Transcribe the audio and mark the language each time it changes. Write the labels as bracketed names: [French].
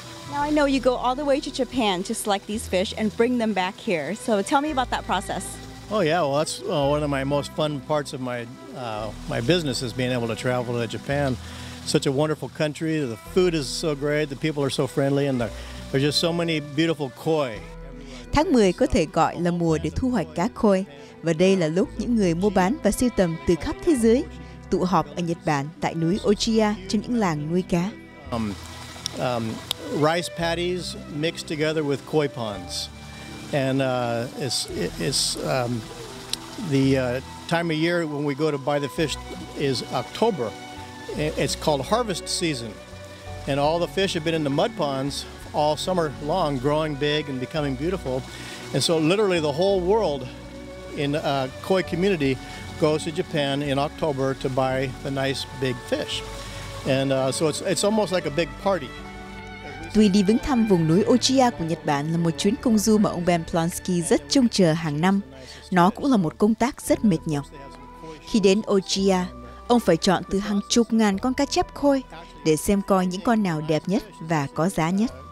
[English] Now I know you go all the way to Japan to select these fish and bring them back here. So tell me about that process. Oh yeah, well that's one of my most fun parts of my business is being able to travel to Japan. Such a wonderful country. The food is so great. The people are so friendly, and there's just so many beautiful koi. [Vietnamese] Tháng 10 có thể gọi là mùa để thu hoạch cá khôi, và đây là lúc những người mua bán và sưu tầm từ khắp thế giới tụ họp ở Nhật Bản tại núi Ochiya trong những làng nuôi cá. [English] Rice patties mixed together with koi ponds, and it's the time of year when we go to buy the fish is October. It's called harvest season, and all the fish have been in the mud ponds all summer long, growing big and becoming beautiful. And so literally the whole world in a koi community goes to Japan in October to buy the nice big fish. And so it's almost like a big party. [Vietnamese] Tuy đi viếng thăm vùng núi Ochiya của Nhật Bản là một chuyến công du mà ông Ben Plonski rất trông chờ hàng năm. Nó cũng là một công tác rất mệt nhọc. Khi đến Ochiya, ông phải chọn từ hàng chục ngàn con cá chép khôi để xem coi những con nào đẹp nhất và có giá nhất.